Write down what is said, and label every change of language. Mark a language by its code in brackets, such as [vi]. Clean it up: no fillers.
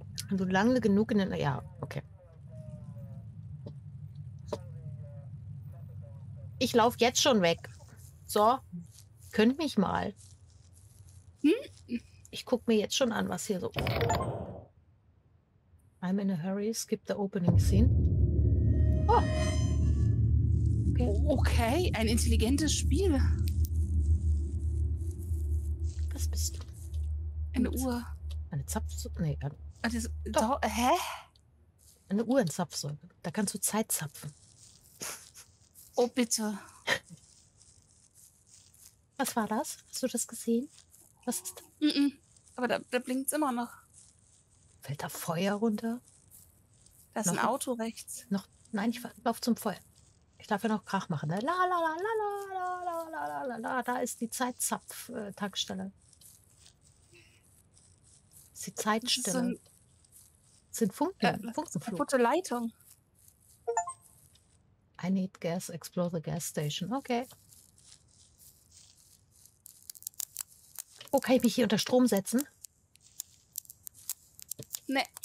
[de] Und du lange genug in den... Ja, okay. Ich laufe jetzt schon weg. So, könnt mich mal. Ich gucke mir jetzt schon an, was hier so... [en] I'm in a hurry, skip the opening scene. Oh. [de] Okay, ein intelligentes Spiel. Was bist du? Eine Uhr. Eine Zapfsäule? Nee, Hä? Eine Uhr in Zapfsäule. Da kannst du Zeit zapfen. Oh, bitte. Was war das? Hast du das gesehen? Was ist das? Mm-mm. Aber da blinkt es immer noch. Fällt da Feuer runter? Da ist noch ein Auto rechts. Noch. Nein, ich lauf zum Feuer. Ich darf ja noch Krach machen. Ne? La, la, la, la, la, la, la, la, la, la. Da ist die Zeitzapf-Tankstelle. Ist die Zeitstelle. Das sind Funken. Kaputte Leitung. [en] I need gas, explore the gas station. Okay. [de] Oh, kann ich mich hier unter Strom setzen? Nee.